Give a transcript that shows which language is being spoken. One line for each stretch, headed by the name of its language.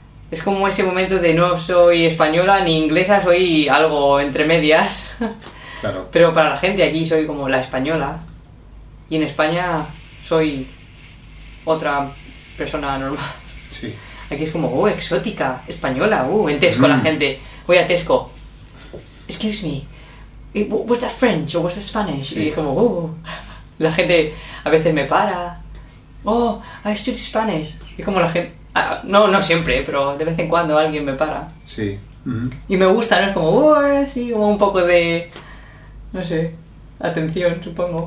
Spanish: Es como ese momento de no soy española ni inglesa, soy algo entre medias. Claro. Pero para la gente aquí soy como la española. Y en España soy... otra persona normal. Sí. Aquí es como, exótica, española, en Tesco la gente. Voy a Tesco.
English: Excuse me, what's that French or what's that Spanish?
Spanish: Sí. Y es como, La gente a veces me para.
English: I study Spanish.
Spanish: Y como la gente, no siempre, pero de vez en cuando alguien me para. Sí. Y me gusta, ¿no? Es como, sí, como un poco de, no sé, atención, supongo.